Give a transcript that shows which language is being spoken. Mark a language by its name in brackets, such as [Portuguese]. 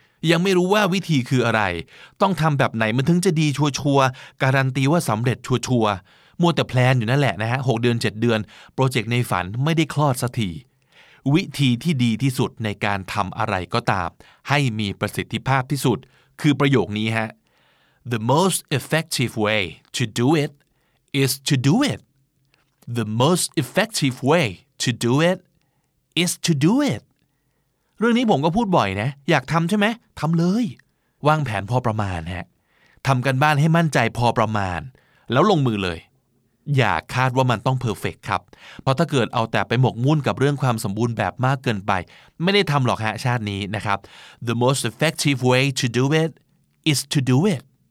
[Thai] ยังไม่รู้ว่าวิธีคืออะไรต้องทำแบบไหนมันถึงจะดีชัวๆการันตีว่าสำเร็จชัวๆมัวแต่แพลนอยู่นั่นแหละนะฮะ6เดือน7เดือนโปรเจกต์ในฝันไม่ได้คลอดสักทีวิธีที่ดีที่สุดในการทำอะไรก็ตามให้มีประสิทธิภาพที่สุดคือประโยคนี้ฮะ [English] The most effective way to do itis to do it. The most effective way to do it is to do it. [Thai] เรื่องนี้ผมก็พูดบ่อยนะอยากทำใช่ไหมทำเลยวางแผนพอประมาณฮะทำกันบ้านให้มั่นใจพอประมาณแล้วลงมือเลยอย่าคาดว่ามันต้องเพอร์เฟคครับเพราะถ้าเกิดเอาแต่ไปหมกมุ่นกับเรื่องความสมบูรณ์แบบมากเกินไปไม่ได้ทำหรอกฮะชาตินี้นะครับ [English] The most effective way to do it [Thai] is to do it